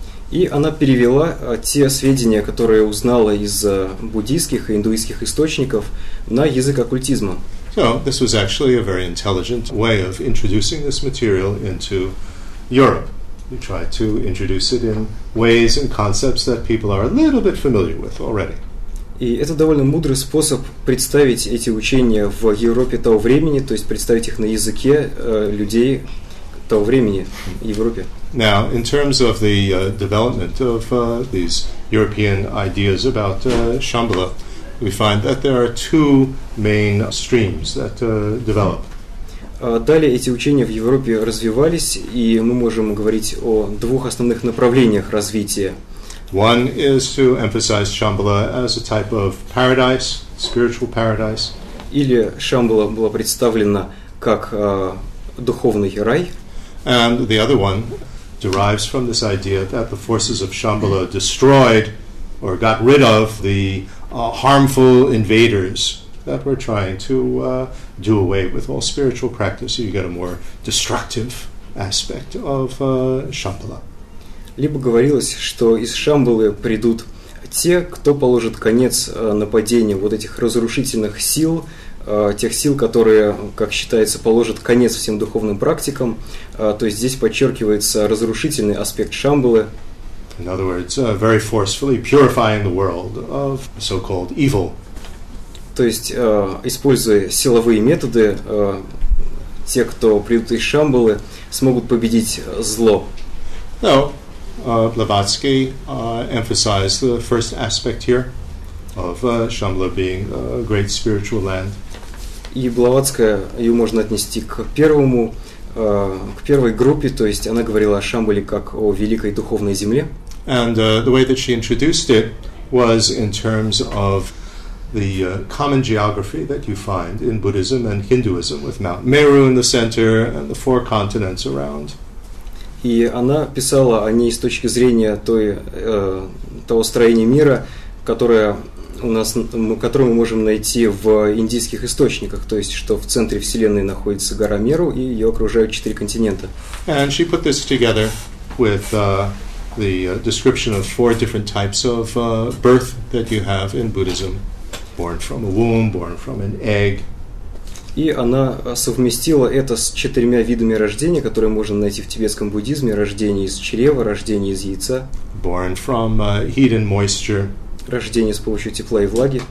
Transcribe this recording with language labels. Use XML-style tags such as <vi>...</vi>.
<ru>И она перевела те сведения, которые узнала из буддийских и индуистских источников, на язык оккультизма.</ru> <en>So this was actually a very intelligent way of introducing this material into Europe. You try to introduce it in ways and concepts that people are a little bit familiar with already.</en> <ru>И это довольно мудрый способ представить эти учения в Европе того времени, то есть представить их на языке людей того времени в Европе.</ru> <en>Now, in terms of the development of these European ideas about Shambhala, we find that there are two main streams that develop.</en> <ru>Далее эти учения в Европе развивались, и мы можем говорить о двух основных направлениях развития.</ru> <en>One is to emphasize Shambhala as a type of paradise, spiritual paradise.</en> <ru>Или Шамбала была представлена как духовный рай.</ru> <en>And the other one derives from this idea that the forces of Shambhala destroyed or got rid of the harmful invaders that were trying to do away with all spiritual practice. So you get a more destructive aspect of Shambhala.</en> <ru>Либо говорилось, что из Шамбалы придут те, кто положит конец нападению вот этих разрушительных сил, тех сил, которые, как считается, положат конец всем духовным практикам. То есть здесь подчеркивается разрушительный аспект Шамбалы.</ru> <en>In other words, very forcefully purifying the world of so-called evil.</en> <ru>То есть, используя силовые методы, те, кто придут из Шамбалы, смогут победить зло.</ru> <en>No. Blavatsky emphasized the first aspect here of Shambhala being a great spiritual land.</en> <ru>И Блаватская ее можно отнести к первому, к первой группе, то есть она говорила о Шамбале как о великой духовной земле.</ru> <en>And the way that she introduced it was in terms of the common geography that you find in Buddhism and Hinduism, with Mount Meru in the center and the four continents around.</en> <ru>И она писала о ней с точки зрения той, того строения мира, которое у нас, которое мы можем найти в индийских источниках, то есть что в центре Вселенной находится гора Меру и ее окружают четыре континента.</ru> <en>And she put this together with the description of four different types of birth that you have in Buddhism: born from a womb, born from an egg.</en> <ru>И она совместила это с четырьмя видами рождения, которые можно найти в тибетском буддизме: рождение из чрева, рождение из яйца,</ru> <en>born from heat and moisture,</en> <ru>рождение с помощью тепла и влаги,</ru>